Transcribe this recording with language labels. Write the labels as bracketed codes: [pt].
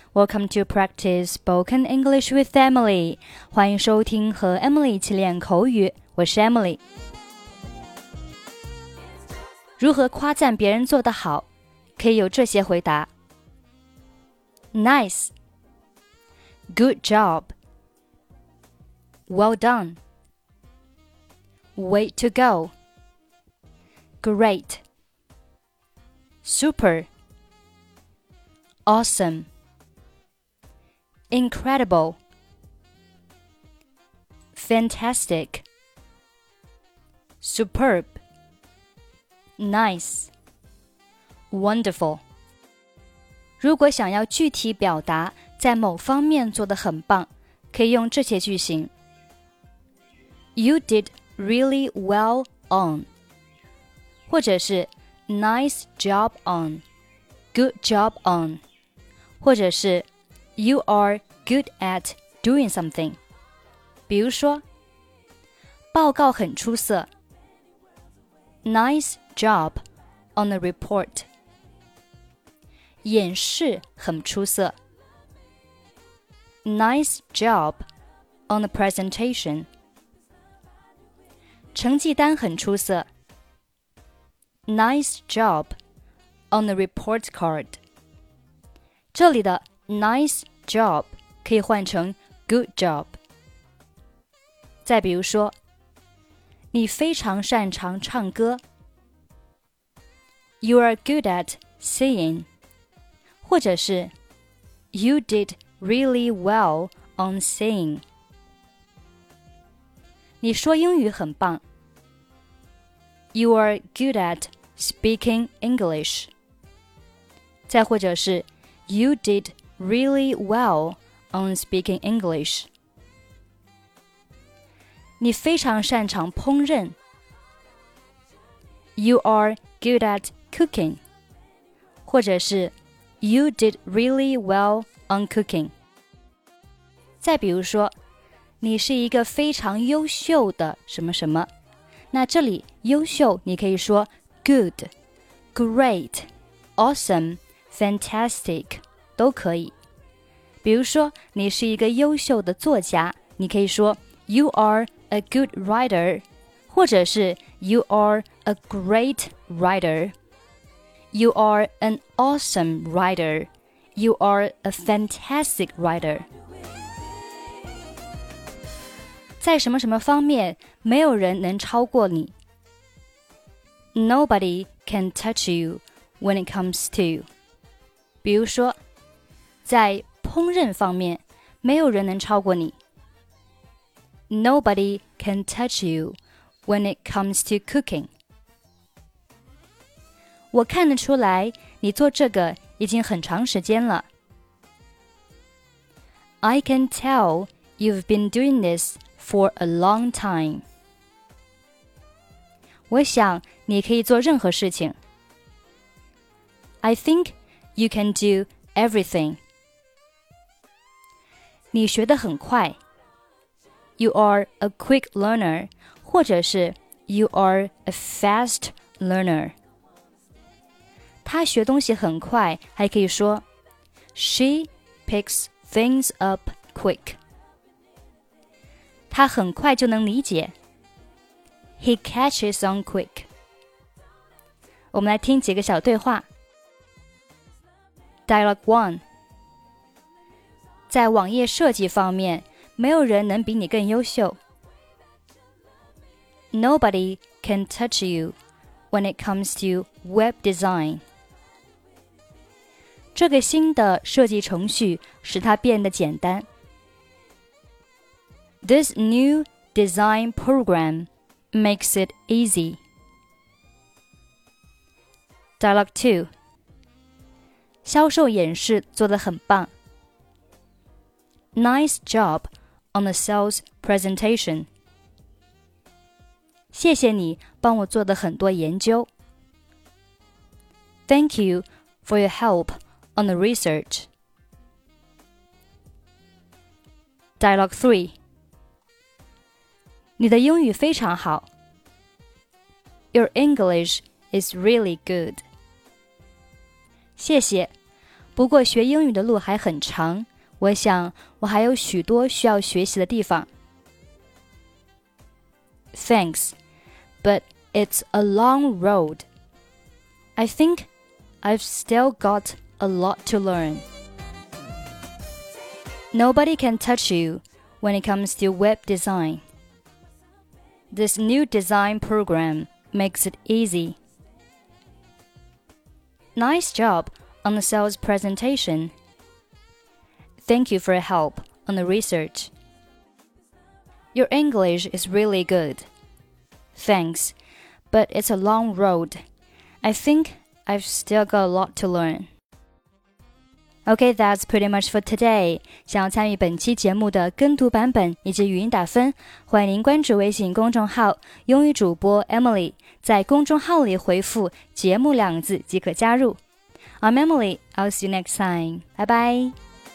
[en] Welcome to Practice Spoken English with Emily. [zh] 欢迎收听和 Emily 一起练口语。我是 Emily。如何夸赞别人做得好？可以有这些回答。 [en] Nice. Good job. Well done. Way to go. Great. Super. Awesome. Incredible. Fantastic. Superb. Nice. Wonderful. [zh] 如果想要具体表达在某方面做得很棒，可以用这些句型。 [en] You did really well on. [zh] 或者是 [en] Nice job on. Good job on. [zh] 或者是 [en] You are good at doing something. [zh] 比如说报告很出色 [en] Nice job on the report. [zh] 演示很出色 [en] Nice job on the presentation. [zh] 成绩单很出色 [en] Nice job on the report card. [zh] 这里的 [en] nice job [zh] 可以换成 [en] good job。 [zh] 再比如说，你非常擅长唱歌。 [en] You are good at singing. [zh] 或者是 [en] You did really well on singing. [zh] 你说英语很棒。 [en] You are good at speaking English. [zh] 再或者是 [en] You did really well on speaking English. [zh] 你非常擅长烹饪。 [en] You are good at cooking. [zh] 或者是 [en] You did really well on cooking. [zh] 再比如说，你是一个非常优秀的什么什么。那这里优秀你可以说 [en] good, great, awesome, fantastic. [zh] 都可以。比如说你是一个优秀的作家，你可以说 [en] You are a good writer, [zh] 或者是 [en] You are a great writer, You are an awesome writer, You are a fantastic writer. [zh] 在什么什么方面没有人能超过你。 [en] Nobody can touch you when it comes to you. [zh] 比如说在烹饪方面，没有人能超过你。 [en] Nobody can touch you when it comes to cooking. [zh] 我看得出来，你做这个已经很长时间了。 [en] I can tell you've been doing this for a long time. [zh] 我想你可以做任何事情。 [en] I think you can do everything. [zh] 你学得很快。 [en] You are a quick learner, [zh] 或者是 [en] You are a fast learner. [zh] 他学东西很快还可以说 [en] She picks things up quick. [zh] 他很快就能理解。 [en] He catches on quick. [zh] 我们来听几个小对话。 [en] Dialogue 1. [zh] 在网页设计方面，没有人能比你更优秀。 [en] Nobody can touch you when it comes to web design. [zh] 这个新的设计程序使它变得简单。 [en] This new design program makes it easy. Dialogue 2. [zh] 销售演示做得很棒。 [en] Nice job on the sales presentation. [zh] 谢谢你帮我做的很多研究。 [en] Thank you for your help on the research. Dialogue 3. [zh] 你的英语非常好。 [en] Your English is really good. [zh] 谢谢，不过学英语的路还很长，我想我还有许多需要学习的地方。 [en] Thanks, but it's a long road. I think I've still got a lot to learn. Nobody can touch you when it comes to web design. This new design program makes it easy. Nice job on the sales presentation. Thank you for your help on the research. Your English is really good. Thanks, but it's a long road. I think I've still got a lot to learn. Okay, that's pretty much for today. [zh] 想要参与本期节目的跟读版本以及语音打分，欢迎您关注微信公众号英语主播 Emily, 在公众号里回复节目两字即可加入。 [en] I'm Emily, I'll see you next time. Bye bye.